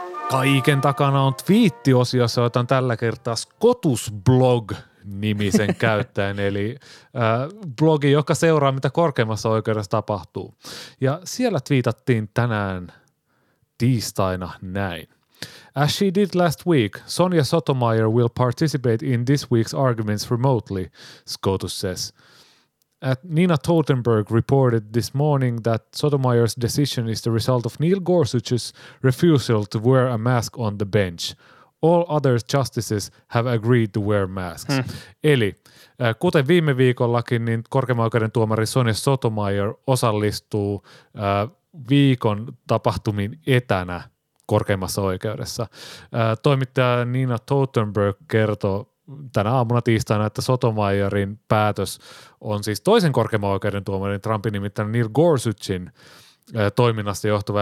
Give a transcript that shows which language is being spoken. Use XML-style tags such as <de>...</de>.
<fi>Kaiken takana on twiittiosiossa, jota on tällä kertaa Scotusblog-nimisen käyttäen, eli blogi, joka seuraa, mitä korkeimmassa oikeudessa tapahtuu. Ja siellä twiitattiin tänään tiistaina näin.</fi> <en>As she did last week, Sonia Sotomayor will participate in this week's arguments remotely, Scotus says. At Nina Totenberg reported this morning that Sotomayor's decision is the result of Neil Gorsuch's refusal to wear a mask on the bench. All other justices have agreed to wear masks.</en> <fi>Eli kuten viime viikollakin, niin korkeimman oikeuden tuomari Sonia Sotomayor osallistuu viikon tapahtumiin etänä korkeimmassa oikeudessa. Toimittaja Nina Totenberg kertoo tänä aamuna tiistaina, että Sotomayorin päätös on siis toisen korkeimman oikeuden tuomarin Trumpin nimittäin Neil Gorsuchin toiminnasta johtuva.</fi>